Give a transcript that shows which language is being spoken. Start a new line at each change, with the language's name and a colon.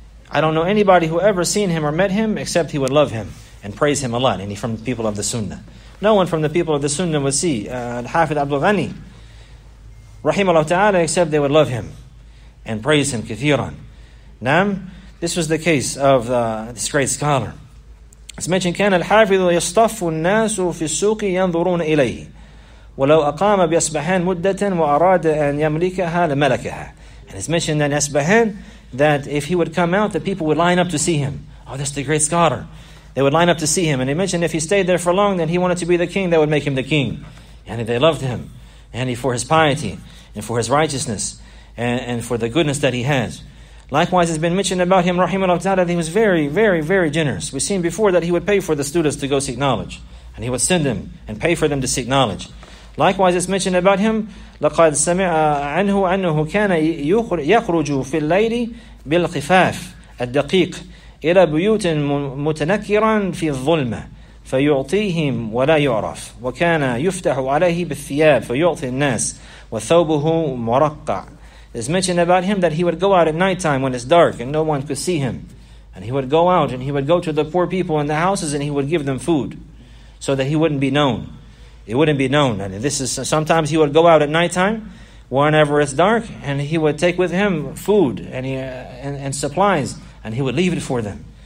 English: I don't know anybody who ever seen him or met him except he would love him and praise him a lot, and he from the people of the Sunnah. No one from the people of the Sunnah would see Al-Hafidh Abdul Ghani, rahimahullah ta'ala, except they would love him and praise him kathiran. Naam, this was the case of this great scholar. It's mentioned,
Arabic: كان الحافظ يصطف الناس في السوق ينظرون إليه ولو أقام بأسبحان مدة وأراد أن يملكها لملكها.
English: And it's mentioned in Asbahan that if he would come out, the people would line up to see him. Oh, that's the great scholar. They would line up to see him. And he mentioned if he stayed there for long, then he wanted to be the king, they would make him the king. And they loved him. And for his piety, and for his righteousness, and for the goodness that he has. Likewise, it's been mentioned about him, rahimahullah ta'ala, that he was very, very, very generous. We've seen before that he would pay for the students to go seek knowledge. And he would send them, and pay for them to seek knowledge. Likewise, it's mentioned about him,
Arabic: لَقَدْ سَمِعَ عَنْهُ أَنُّهُ كَانَ يَخْرُجُ فِي اللَّيْلِ بِالْخِفَافِ الدَّقِيقِ إلى بيوت متنكرا في الظلمة فيعطيهم ولا يعرف وكان يفتح عليه بالثياب فيعطي الناس وثوبه مرقع.
English: It's mentioned about him that he would go out at night time when it's dark and no one could see him, and he would go out and he would go to the poor people in the houses and he would give them food so that he wouldn't be known. It wouldn't be known. And this is sometimes he would go out at nighttime, whenever it's dark, and he would take with him food and supplies, and he would leave it for them.